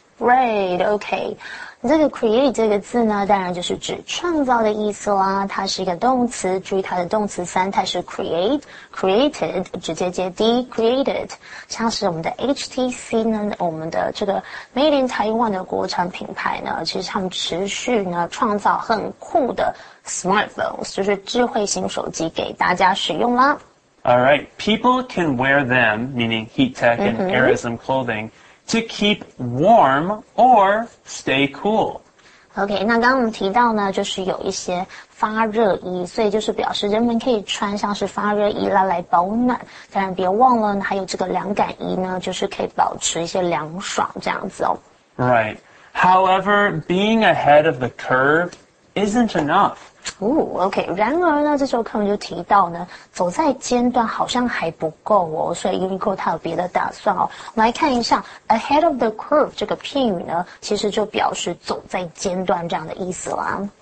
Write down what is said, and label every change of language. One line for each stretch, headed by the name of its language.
Chinese: Right, okay. 这个 create 这个字呢当然就是指创造的意思啦它是一个动词注意它的动词三态是 create, created, 直接接 de-created 像是我们的 HTC 呢我们的这个 Made in Taiwan 的国产品牌呢其实他们持续呢创造很酷的 smartphones 就是智慧型手机给大家使用啦
English: Alright, people can wear them, meaning Heattech and Aerism clothingTo keep warm or stay cool.
Chinese: Okay, 那刚刚我们提到呢就是有一些发热衣所以就是表示人们可以穿像是发热衣来保暖当然别忘了呢还有这个凉感衣呢就是可以保持一些凉爽这样子哦。
English: Right. However, being ahead of the curve isn't enough.
Chinese: Ooh, okay, 然而呢这时候课文就提到呢走在尖端好像还不够哦所以 Uniqlo 它有别的打算哦。我们来看一下 ,
English: ahead of the curve
Chinese: 这个片语呢其实就表示走在尖端这样的意思啦。